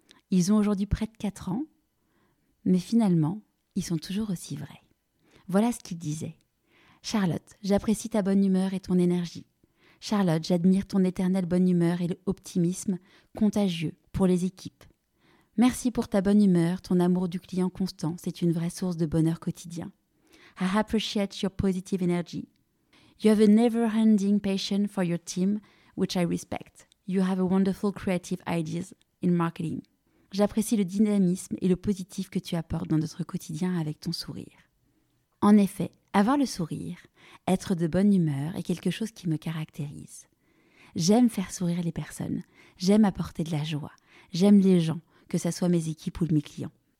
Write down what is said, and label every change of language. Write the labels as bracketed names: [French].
[French] Ils ont aujourd'hui près de 4 ans, mais finalement, ils sont toujours aussi vrais. Voilà ce qu'ils disaient. Charlotte, j'apprécie ta bonne humeur et ton énergie. Charlotte, j'admire ton éternelle bonne humeur et l'optimisme contagieux pour les équipes. Merci pour ta bonne humeur, ton amour du client constant, c'est une vraie source de bonheur quotidien. [English] I appreciate your positive energy. You have a never-ending passion for your team, which I respect. You have a wonderful creative ideas in marketing. [French] J'apprécie le dynamisme et le positif que tu apportes dans notre quotidien avec ton sourire. En effet, avoir le sourire, être de bonne humeur est quelque chose qui me caractérise. J'aime faire sourire les personnes, j'aime apporter de la joie, j'aime les gens, que ce soit mes équipes ou mes clients.